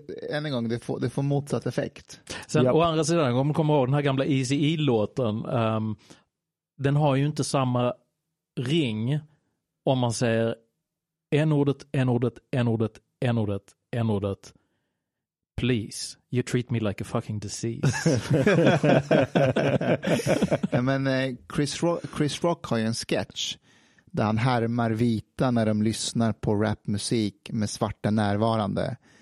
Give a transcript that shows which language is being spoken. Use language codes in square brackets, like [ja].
[sv] Än en gång, det får motsatt effekt. Sen, yep. Å andra sidan, om man kommer ihåg den här gamla Eazy-E-låten. Den har ju inte samma ring om man säger N-ordet, N-ordet, N-ordet, N-ordet, N-ordet. [en] Please, you treat me like a fucking disease. [sv] Ja, men Chris Rock har ju en sketch där han härmar vita när de lyssnar på rapmusik med svarta närvarande.